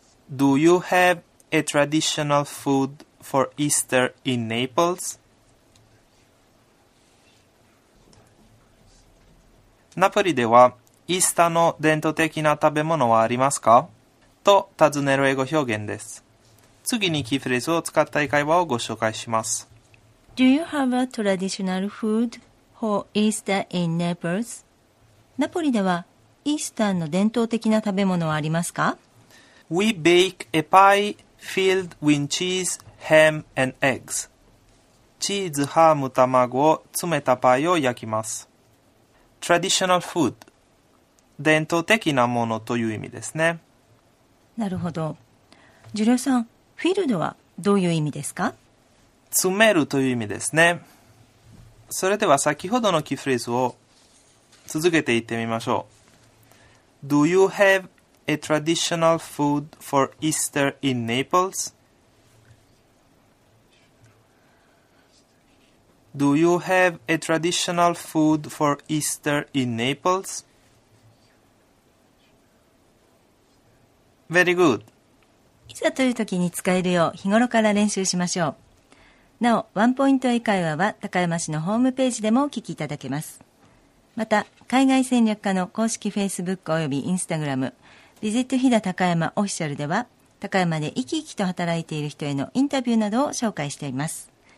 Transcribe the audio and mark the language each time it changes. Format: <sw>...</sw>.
<en>Do you have a traditional food for Easter in Naples?</en> <ja>ナポリでは、イースターの伝統的な食べ物はありますか? と尋ねる英語表現です。次にキーフレーズを使った英会話をご紹介します。</ja> <en>Do you have a traditional food for Easter in Naples?</en> <ja>ナポリではイースターの伝統的な食べ物はありますか?</ja> <en>We bake a pie filled with cheese, ham and eggs.</en> <ja>チーズ、ハーム、卵を詰めたパイを焼きます。</ja> <en>Traditional food.</en> <ja>伝統的なものという意味ですね。なるほど。ジュリオさん、フィールドはどういう意味ですか? 詰めるという意味ですね。それでは先ほどのキーフレーズを続けて言ってみましょう。</ja> <en>Do you have a traditional food for Easter in Naples? Do you have a traditional food for Easter in Naples? Very good.</en> <ja>いざという時に使えるよう日頃から練習しましょう。なお、ワンポイント英会話は高山市のホームページでもお聞きいただけます。また、海外戦略課の公式 Facebook およびインスタグラム、ビジット飛騨高山オフィシャルでは、高山で生き生きと働いている人へのインタビューなどを紹介しています。</ja>